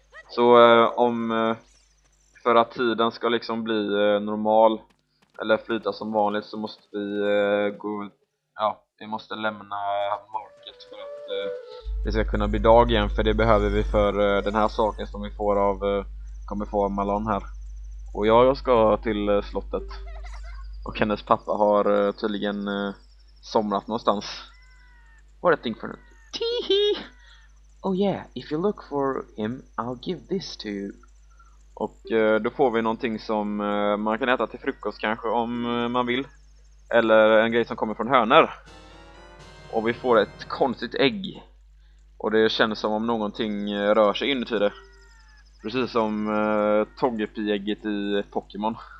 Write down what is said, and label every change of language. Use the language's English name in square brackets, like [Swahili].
[Swedish] Så om för att tiden ska liksom bli normal eller flyta som vanligt så måste vi gå, ja, vi måste lämna market för att det ska kunna bli dag igen, för det behöver vi för den här saken som vi får av kommer få av Malon här. Och jag ska till slottet. Och hennes pappa har tydligen somnat någonstans. [English] What a thing for him. Teehee! Oh yeah, if you look for him, I'll give this to you. [Swedish] Och då får vi någonting som man kan äta till frukost kanske om man vill. Eller en grej som kommer från hönor. Och vi får ett konstigt ägg. Och det känns som om någonting rör sig inuti det. Precis som Togepi-ägget i Pokémon.